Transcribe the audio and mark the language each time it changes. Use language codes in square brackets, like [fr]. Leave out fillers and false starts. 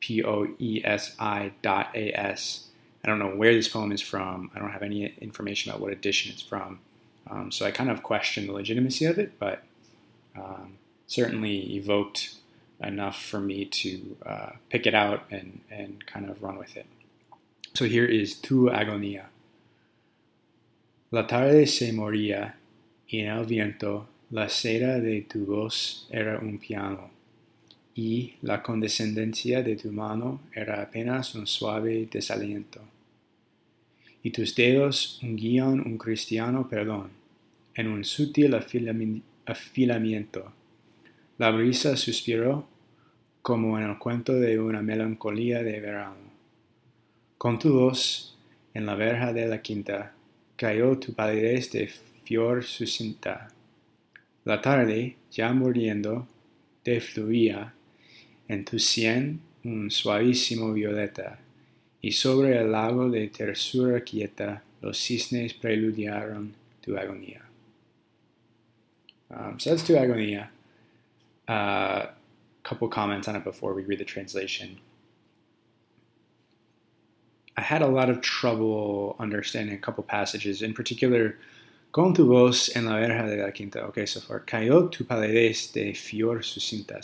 [en] Poesias. I don't know where this poem is from. I don't have any information about what edition it's from. So I kind of question the legitimacy of it, but certainly evoked enough for me to pick it out and kind of run with it. So here is Tu Agonía. [es] La tarde se moría y en el viento la seda de tu voz era un piano. Y la condescendencia de tu mano era apenas un suave desaliento. Y tus dedos unguían un cristiano perdón en un sutil afilamiento. La brisa suspiró como en el cuento de una melancolía de verano. Con tu voz, en la verja de la quinta, cayó tu palidez de fior sucinta. La tarde, ya muriendo, te fluía en tu sien un suavísimo violeta, y sobre el lago de tersura quieta, los cisnes preludiaron tu agonía. [en] So that's Tu Agonía. A couple comments on it before we read the translation. I had a lot of trouble understanding a couple passages, in particular, con tu voz en la verja de la quinta. [es] Okay, so far, cayó tu palidez de fior sucinta.